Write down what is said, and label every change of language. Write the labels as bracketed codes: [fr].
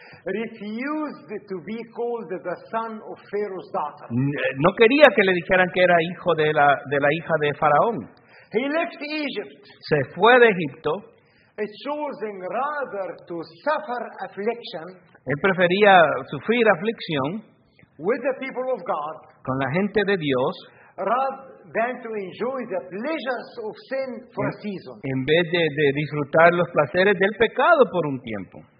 [en] refused to be called the son of Pharaoh's daughter. [es] No quería que le dijeran que era hijo de la hija de Faraón. [en] He left Egypt. [es] Se fue de Egipto. [en] He chosen rather to suffer affliction. [es] Él prefería sufrir aflicción [en] with the people of God, [es] con la gente de Dios, [en] rather than to enjoy the pleasures of sin for a season. [es] En vez de disfrutar los placeres del pecado por un tiempo.